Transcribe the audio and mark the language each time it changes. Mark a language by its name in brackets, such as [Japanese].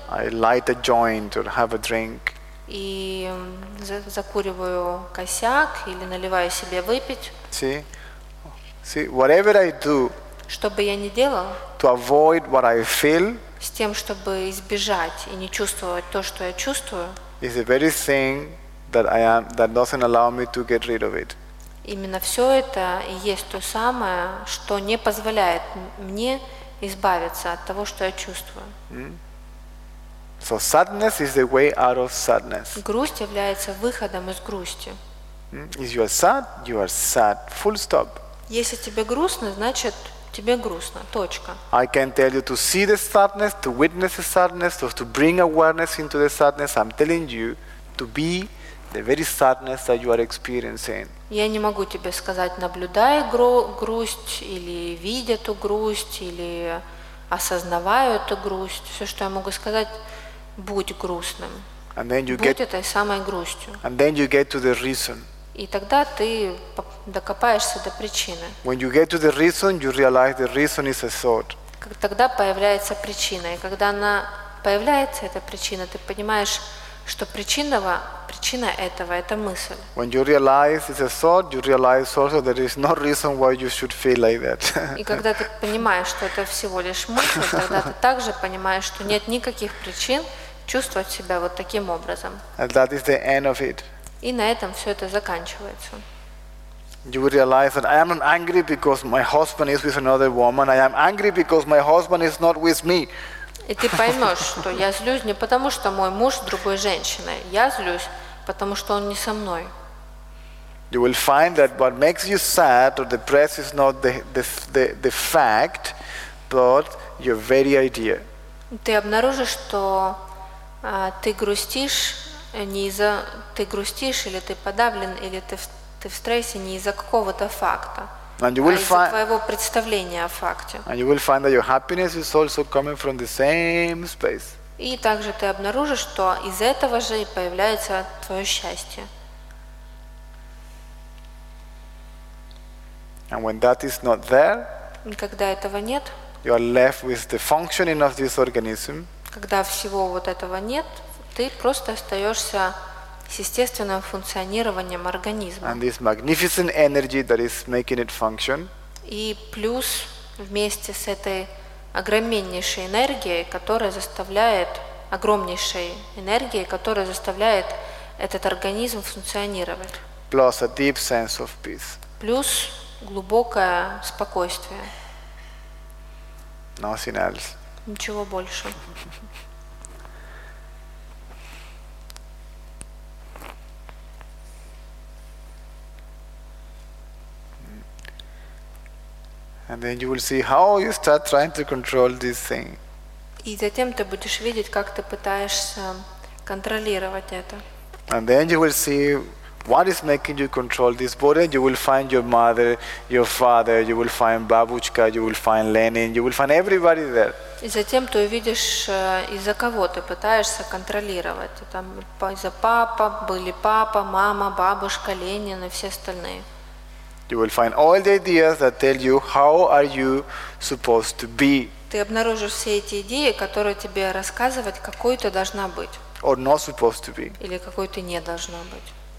[English] I light a joint or have a drink, [Russian] и закуриваю косяк или наливаю себе выпить. [English] See, whatever I do, [Russian] что бы я ни делал, [English] to avoid what I feel, [Russian] с тем, чтобы избежать и не чувствовать то, что я чувствую, [English] is the very thing that I am, that doesn't allow me to get rid of it. [Russian] Именно все это и есть то самое, что не позволяет мне избавиться от того, что я чувствую. [English] So sadness is the way out of sadness. [Russian] Грусть является выходом из грусти. [English] If you are sad, you are sad. Full stop. [Russian] Если тебе грустно, значит тебе грустно. Точка. [English] I can tell you to see the sadness, to witness the sadness, or to bring awareness into the sadness. I'm telling you to be the very sadness that you are experiencing. [Russian] Я не могу тебе сказать, наблюдая грусть или видя эту грусть или осознавая эту грусть. Все, что я могу сказать, будь грустным. [English] And then you [Russian] будь [English] get, [Russian] этой самой грустью. [English] And then you get to the reason. [Russian] И тогда ты докопаешься до причины. [English] When you get to the reason, you realize the reason is a thought. [Russian] Тогда появляется причина. И когда она появляется, эта причина, ты понимаешь, что причина этого – это мысль. [English] When you realize it's a thought, you realize also there is no reason why you should feel like that. [Russian] И когда ты понимаешь, что это всего лишь мысль, тогда ты также понимаешь, что нет никаких причин чувствовать себя вот таким образом. [English] And that is the end of it. [Russian] И на этом все это заканчивается. [English] You will realize that I am not angry because my husband is with another woman. I am angry because my husband is not with me. [Russian] И ты поймешь, что я злюсь не потому, что мой муж с другой женщиной. Я злюсь, потому что он не со мной. [English] You will find that what makes you sad or depressed is not the fact, but your very idea. [Russian] Ты обнаружишь, что ты грустишь не из-за... Ты грустишь, или ты подавлен, или ты в стрессе не из-за какого-то факта. [English] And you will find [Russian] твоего представления о факте. [English] And you will find that your happiness is also coming from the same space. [Russian] И также ты обнаружишь, что из этого же и появляется твое счастье. [English] And when that is not there, [Russian] когда этого нет, [English] you are left with the functioning of this organism. [Russian] Когда всего вот этого нет, ты просто остаешься с естественным функционированием организма. [English] And this magnificent energy that is making it function. [Russian] И плюс вместе с этой огромнейшей энергией, которая заставляет огромнейшей энергией, которая заставляет этот организм функционировать. [English] Plus a deep sense of peace. [Russian] Плюс глубокое спокойствие. [English] Nothing else. [Russian] Ничего больше. [English] And then you will see how you start trying to control this thing. [Russian] И затем ты будешь видеть, как ты пытаешься контролировать это. [English] And then you will see what is making you control this body. You will find your mother, your father. You will find Бабушка. You will find Lenin. You will find everybody there. [Russian] И затем ты увидишь, из-за кого ты пытаешься контролировать. Там из-за папа были папа, мама, бабушка, Ленин и все остальные. [English] You will find all the ideas that tell you how are you supposed to be. [Russian] Ты обнаружишь все эти идеи, которые тебе рассказывают, какой ты должна быть. [English] Or not supposed to be. [Russian] Или какой ты не должна быть.